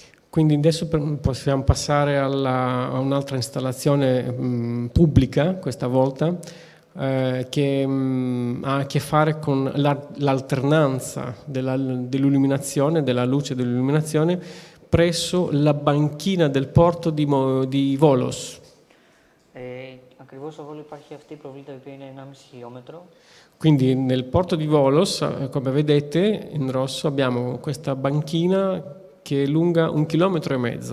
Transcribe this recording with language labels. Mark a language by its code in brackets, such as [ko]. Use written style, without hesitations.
[it] Quindi adesso possiamo passare alla, a un'altra installazione pubblica, questa volta, che ha a che fare con la, l'alternanza della, dell'illuminazione, della luce dell'illuminazione, presso la banchina del porto di Volos. [el] Ακριβώς όπου υπάρχει αυτή η προβλήτα, η οποία είναι 1,5 χιλιόμετρο. [it] Quindi nel porto di Volos, come vedete, in rosso abbiamo questa banchina che è lunga 1,5 km.